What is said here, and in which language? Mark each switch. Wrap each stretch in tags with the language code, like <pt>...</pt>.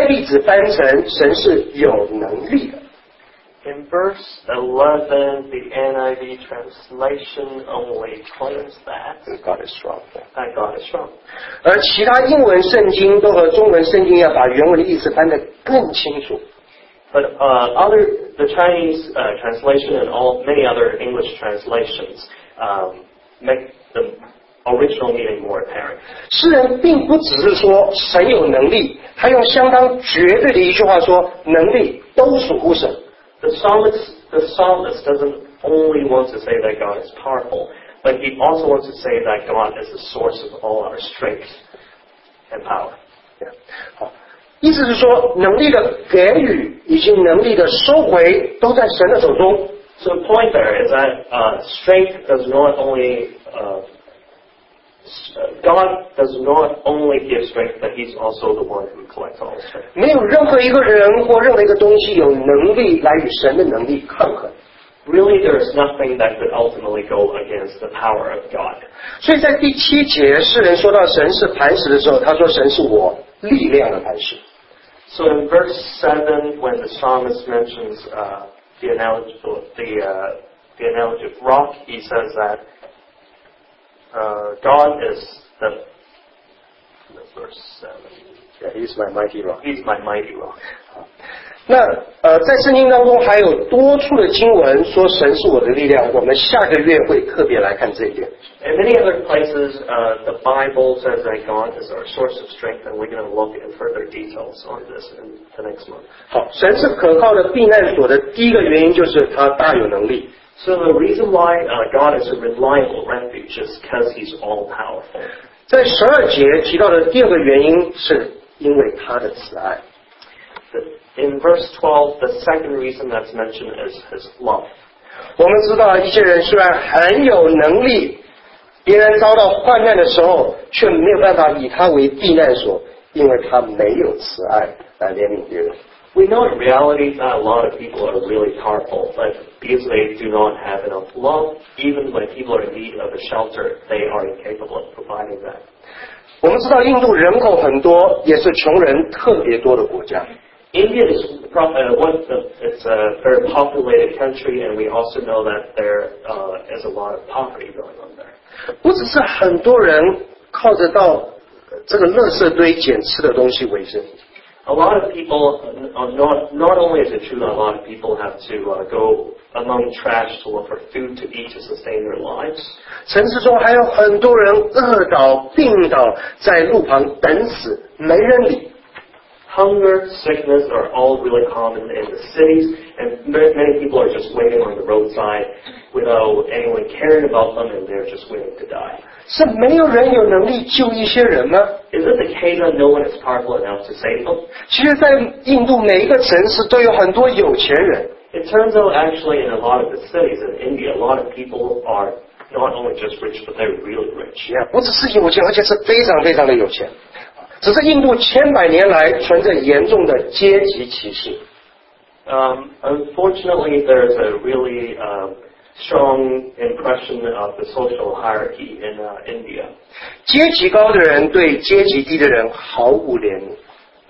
<zh>NIV 只翻成神是有能力的。</zh> <en>In verse 11, the NIV translation only claims that God is strong. That God is strong.</en> <zh>而其他英文圣经都和中文圣经要把原文的意思翻得更清楚。</zh> <en>But the Chinese translation and all many other English translations make the original meaning more apparent.</en> <zh>诗人并不只是说神有能力，他用相当绝对的一句话说，能力都属乎神。</zh> <en>The psalmist doesn't only want to say that God is powerful, but he also wants to say that God is the source of all our strength and power. Yeah. 好。</en> <zh>意思是说，能力的给予以及能力的收回都在神的手中。</zh> <en>So the point there is that strength does not only God does not only give strength, but He's also the one who collects all strength.</en> <zh>没有任何一个人或任何一个东西有能力来与神的能力抗衡。</zh> <en>Really, there is nothing that could ultimately go against the power of God.</en> <zh>所以在第七节，诗人说到神是磐石的时候，他说神是我力量的磐石。</zh> <en>So in verse 7, when the psalmist mentions the analogy of rock, he says that God is the... verse 7. Yeah, he's my mighty rock. He's my mighty rock.</en> <zh>那在圣经当中还有多处的经文说神是我的力量，我们下个月会特别来看这一点。</zh> <en>In many other places, the Bible says that God is our source of strength, and we're going to look at further details on this in the next month.</en> <zh>好，神是可靠的避难所的第一个原因就是他大有能力。</zh> <en>So the reason why God is a reliable refuge is because He's all powerful.</en> <zh>在十二节提到的第二个原因是因为他的慈爱。</zh> <en>In verse 12, the second reason that's mentioned is His love.</en> <zh>我们知道一些人虽然很有能力，别人遭到患难的时候，却没有办法以他为避难所，因为他没有慈爱来怜悯别人。</zh> <en>We know in reality that a lot of people are really powerful, but because they do not have enough love, even when people are in need of a shelter, they are incapable of providing that.</en> <zh>我们知道印度人口很多，也是穷人特别多的国家。</zh> <en>India is it's a very populated country, and we also know that there is a lot of poverty going on there.</en> <zh>不只是很多人靠着到这个垃圾堆捡吃的东西为生。</zh> <en>A lot of people, not only is it true that a lot of people have to go among trash to look for food to eat to sustain their lives.</en> <zh>城市中还有很多人饿倒、病倒在路旁等死，没人理。</zh> <en>Hunger, sickness are all really common in the cities, and many people are just waiting on the roadside without anyone caring about them, and they're just waiting to die.</en> <zh>是没有人有能力救一些人吗？</zh> <en>Is it the case that no one is powerful enough to save them?</en> <zh>其实在印度每一个城市都有很多有钱人。</zh> <en>It turns out actually in a lot of the cities in India, a lot of people are not only just rich, but they're really rich.</en> <zh>Yeah, 不只是有钱，而且是非常非常的有钱。只是印度千百年来存着严重的阶级歧视。</zh> <en>Unfortunately, there is a really strong impression of the social hierarchy in India.</en> <zh>阶级高的人对阶级低的人毫无怜悯。</zh>